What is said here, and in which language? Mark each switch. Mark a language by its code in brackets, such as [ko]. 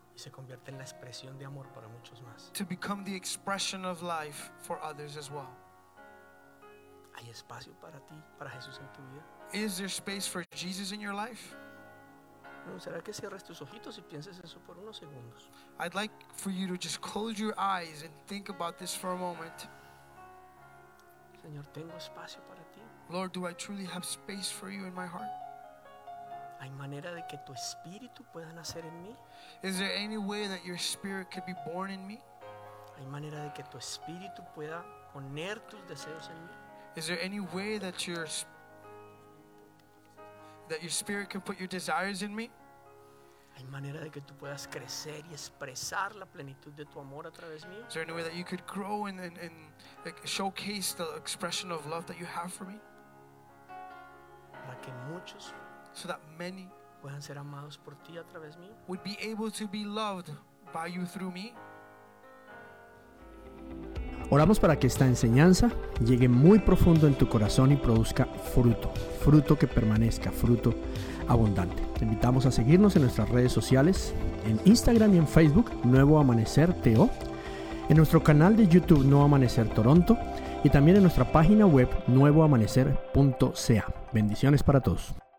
[es] Se convierte en la expresión de amor para muchos más. [en] To become the expression of life for others as well. [es] ¿Hay espacio para ti, para Jesús en tu vida? [en] Is there space for Jesus in your life? [es] No, ¿será que cierres tus ojitos y pienses eso por unos segundos? [en] I'd like for you to just close your eyes and think about this for a moment. [es] Señor, tengo espacio para ti. [en] Lord, do I truly have space for you in my heart? [es] ¿Hay manera de que tu espíritu pueda nacer en mí? [en] Is there any way that your spirit could be born in me? [es] ¿Hay manera de que tu espíritu pueda poner tus deseos en mí? [en] Is there any way that your spirit can put your desires in me? [es] ¿Hay manera de que tú puedas crecer y expresar la plenitud de tu amor a través mío? [en] Is there any way that you could grow and like showcase the expression of love that you have for me? [es] Para que muchos [en] so that many [es] puedan ser amados por ti a través mío. [en] Would be able to be loved by you through me. Amen. [es] Oramos para que esta enseñanza llegue muy profundo en tu corazón y produzca fruto, fruto que permanezca, fruto abundante. Te invitamos a seguirnos en nuestras redes sociales, en Instagram y en Facebook, Nuevo Amanecer TO, en nuestro canal de YouTube, Nuevo Amanecer Toronto, y también en nuestra página web, nuevoamanecer.ca. Bendiciones para todos.